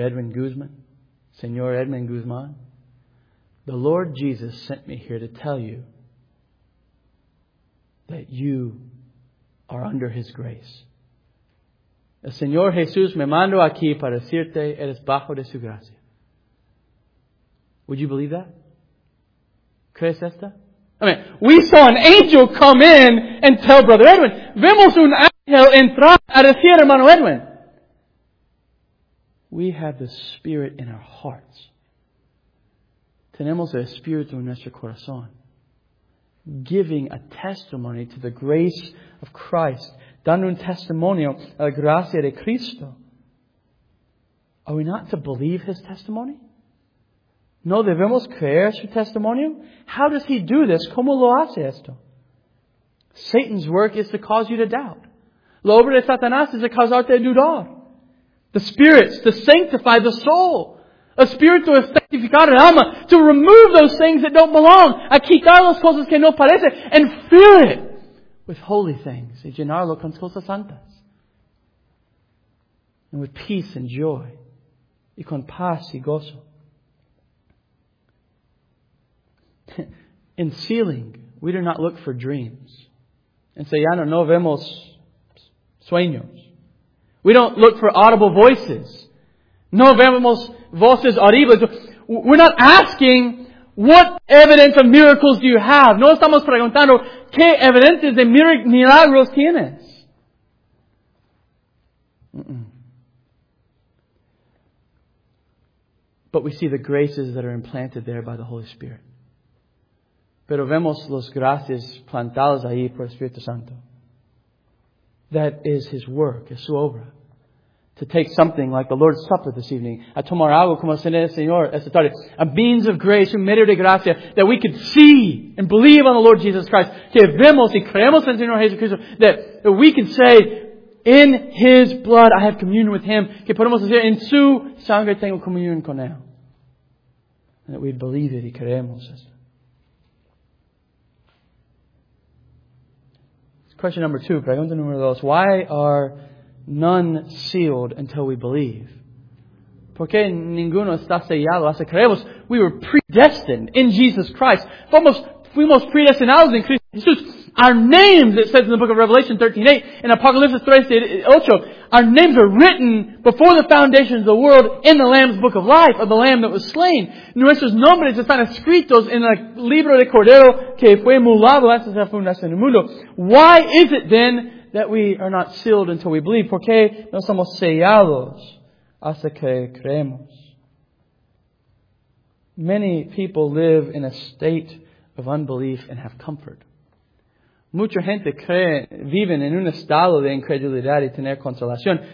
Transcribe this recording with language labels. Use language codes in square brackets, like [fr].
[en] Edwin Guzman, Señor Edwin Guzman, the Lord Jesus sent me here to tell you that you are under His grace. [es] El Señor Jesús me mandó aquí para decirte eres bajo de su gracia. [en] Would you believe that? [es] ¿Crees esta? [en] I mean, we saw an angel come in and tell Brother Edwin. [es] Vemos un ángel entrar a decir hermano Edwin. [en] We have the Spirit in our hearts. [es] Tenemos el Espíritu en nuestro corazón. [en] giving a testimony to the grace of Christ, [es] dando un testimonio a la gracia de Cristo. [en] Are we not to believe his testimony? [es] ¿No debemos creer su testimonio? [en] How does he do this? [es] ¿Cómo lo hace esto? [en] Satan's work is to cause you to doubt. [es] La obra de Satanás es de causarte a dudar. [en] The spirits, to sanctify the soul. A spirit to sanctificar el alma. To remove those things that don't belong. [es] A quitar las cosas que no parecen. [en] And fill it with holy things. [es] Y llenarlo con cosas santas. [en] And with peace and joy. [es] Y con paz y gozo. [en] In sealing, we do not look for dreams. And say, [es] ya no vemos sueños. [en] We don't look for audible voices. [es] No vemos voces audibles. [en] We're not asking, what evidence of miracles do you have? [es] No estamos preguntando, ¿qué evidencias de milagros tienes? [en] But we see the graces that are implanted there by the Holy Spirit. [es] Pero vemos las gracias plantadas ahí por el Espíritu Santo. [en] That is his work, [es] es su obra. [en] To take something like the Lord's Supper this evening, [es] a tomar algo como cena del Señor esta tarde, [en] a means of grace, [es] un medio de gracia, [en] that we could see and believe on the Lord Jesus Christ, [es] que vemos y creemos en el Señor Jesucristo, [en] that we can say, in his blood I have communion with him, [es] que podemos decir, en su sangre tengo comunión con él. [en] And that we believe it [es] y creemos esto. [en] Question number two, [es] pregunta número dos. [en] Why are none sealed until we believe? [es] ¿Por qué ninguno está sellado hasta creemos? [en] We were predestined in Jesus Christ. [es] Fuimos predestinados en Cristo Jesús. [en] Our names, it says in the book of Revelation 13:8, in Apocalypse 3:8, our names are written before the foundation of the world in the Lamb's book of life, of the Lamb that was slain. [es] Nuestros nombres están escritos en el libro de Cordero que fue mulado antes de la fundación del mundo. [en] Why is it then that we are not sealed until we believe? [es] ¿Por qué no somos sellados hasta que creemos? [en] Many people live in a state of unbelief and have comfort. [es] Mucha gente cree, viven en un estado de incredulidad y tener consolación.